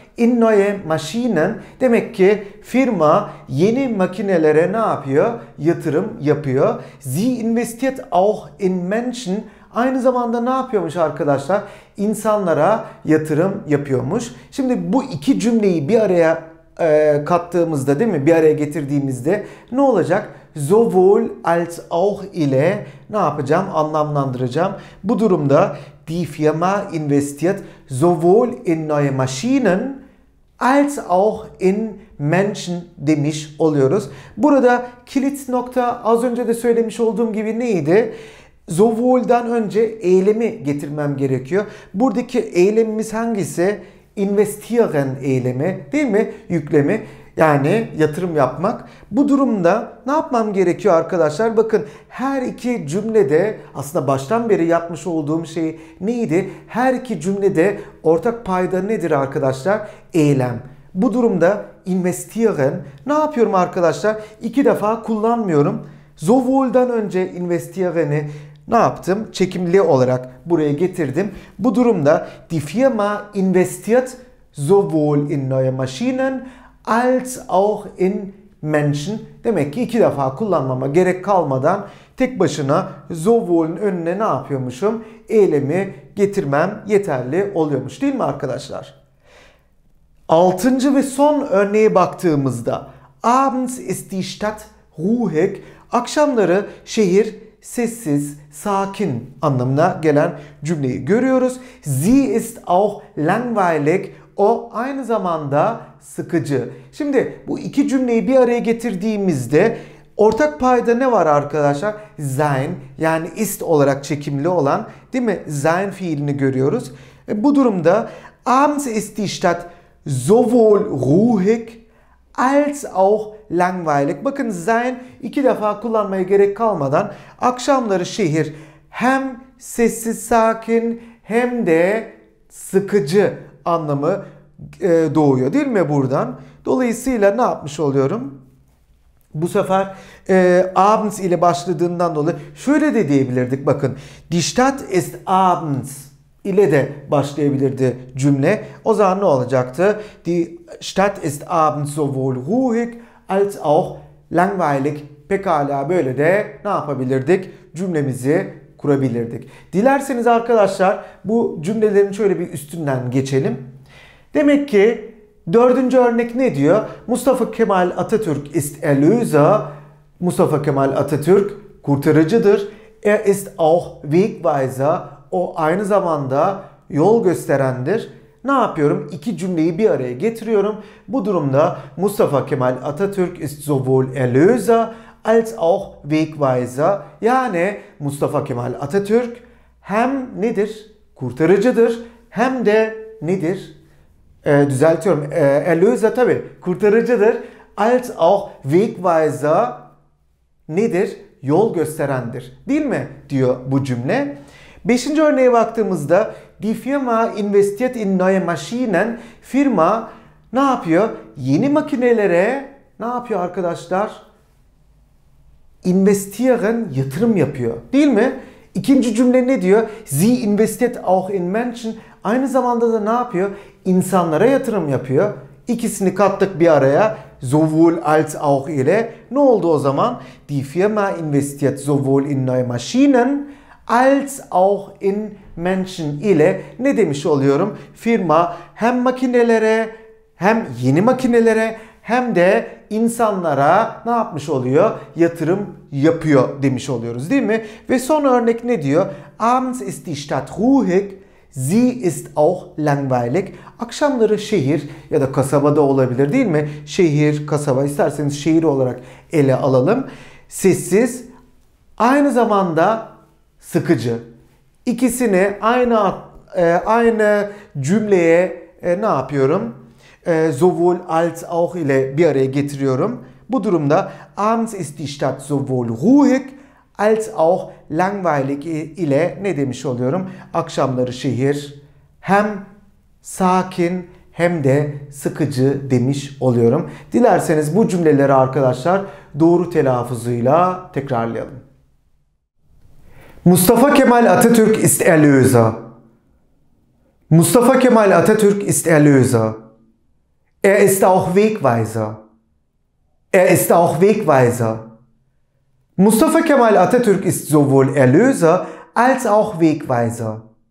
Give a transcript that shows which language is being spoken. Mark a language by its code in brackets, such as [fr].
[de] In neue Maschinen, [tr] demek ki firma yeni makinelere ne yapıyor? Yatırım yapıyor. [de] Sie investiert auch in Menschen, [tr] aynı zamanda ne yapıyormuş arkadaşlar? İnsanlara yatırım yapıyormuş. Şimdi bu iki cümleyi bir araya kattığımızda, değil mi? Bir araya getirdiğimizde ne olacak? Sowohl als auch ile ne yapacağım? Anlamlandıracağım. Bu durumda [de] die Firma investiert sowohl in neue Maschinen als auch in Menschen [tr] demiş oluyoruz. Burada kilit nokta az önce de söylemiş olduğum gibi neydi? Sowohl'dan önce eylemi getirmem gerekiyor. Buradaki eylemimiz hangisi? Investieren eylemi, değil mi? Yüklemi. Yani yatırım yapmak. Bu durumda ne yapmam gerekiyor arkadaşlar? Bakın, her iki cümlede aslında baştan beri yapmış olduğum şey neydi? Her iki cümlede ortak payda nedir arkadaşlar? Eylem. Bu durumda investieren ne yapıyorum arkadaşlar? İki defa kullanmıyorum. Sowohl'dan önce investieren'i ne yaptım? Çekimli olarak buraya getirdim. Bu durumda [de] die Firma investiert sowohl in neue Maschinen als auch in Menschen. [tr] Demek ki iki defa kullanmama gerek kalmadan tek başına sowohl'ün önüne ne yapıyormuşum? Eylemi getirmem yeterli oluyormuş, değil mi arkadaşlar? Altıncı ve son örneğe baktığımızda, [de] abends ist die Stadt ruhig, [tr] akşamları şehir sessiz, sakin anlamına gelen cümleyi görüyoruz. [de] Sie ist auch langweilig, [tr] o aynı zamanda sıkıcı. Şimdi bu iki cümleyi bir araya getirdiğimizde ortak payda ne var arkadaşlar? Sein, yani ist olarak çekimli olan, değil mi? Sein fiilini görüyoruz. Bu durumda [de] abends ist die Stadt sowohl ruhig als auch langweilig. [tr] Bakın, sein iki defa kullanmaya gerek kalmadan akşamları şehir hem sessiz sakin hem de sıkıcı anlamı doğuyor, değil mi buradan? Dolayısıyla ne yapmış oluyorum? Bu sefer abends ile başladığından dolayı şöyle de diyebilirdik, bakın. [de] Die Stadt ist abends [tr] ile de başlayabilirdi cümle. O zaman ne olacaktı? [de] Die Stadt ist abends sowohl ruhig als auch langweilig. [tr] Pekala, böyle de ne yapabilirdik? Cümlemizi kurabilirdik. Dilerseniz arkadaşlar bu cümlelerin şöyle bir üstünden geçelim. Demek ki dördüncü örnek ne diyor? [de] Mustafa Kemal Atatürk ist Erlöser. [tr] Mustafa Kemal Atatürk kurtarıcıdır. [de] Er ist auch Wegweiser. [tr] O aynı zamanda yol gösterendir. Ne yapıyorum? İki cümleyi bir araya getiriyorum. Bu durumda [de] Mustafa Kemal Atatürk ist sowohl Erlöser als auch Wegweiser. [tr] Yani Mustafa Kemal Atatürk hem nedir? Kurtarıcıdır. Hem de nedir? Düzeltiyorum. Erlöser tabi kurtarıcıdır. [de] Als auch Wegweiser [tr] nedir? Yol gösterendir. Değil mi? Diyor bu cümle. Beşinci örneğe baktığımızda [de] die Firma investiert in neue Maschinen. [tr] Firma ne yapıyor? Yeni makinelere ne yapıyor arkadaşlar? Investieren, yatırım yapıyor. Değil mi? İkinci cümle ne diyor? [de] Sie investiert auch in Menschen. [tr] Aynı zamanda da ne yapıyor? İnsanlara yatırım yapıyor. İkisini kattık bir araya. Sowohl als auch ile. Ne oldu o zaman? [de] Die Firma investiert sowohl in neue Maschinen als auch in Menschen [tr] ile. Ne demiş oluyorum? Firma hem makinelere, hem yeni makinelere, hem de insanlara ne yapmış oluyor? Yatırım yapıyor demiş oluyoruz, değil mi? Ve son örnek ne diyor? [de] Abends ist die Stadt ruhig. Sie ist auch langweilig. [tr] Akşamları şehir ya da kasabada olabilir değil mi? Şehir, kasaba isterseniz şehir olarak ele alalım. Sessiz, aynı zamanda sıkıcı. İkisini aynı cümleye ne yapıyorum? Sowohl als auch ile bir araya getiriyorum. Bu durumda [de] abends ist die Stadt sowohl ruhig als auch langweilig [tr] ile ne demiş oluyorum? Akşamları şehir hem sakin hem de sıkıcı demiş oluyorum. Dilerseniz bu cümleleri arkadaşlar doğru telaffuzuyla tekrarlayalım. [de] Mustafa Kemal Atatürk ist Erlöser. Mustafa Kemal Atatürk ist Erlöser. Ist auch Wegweiser. Ist auch Wegweiser. Mustafa Kemal Atatürk ist sowohl Erlöser als auch Wegweiser.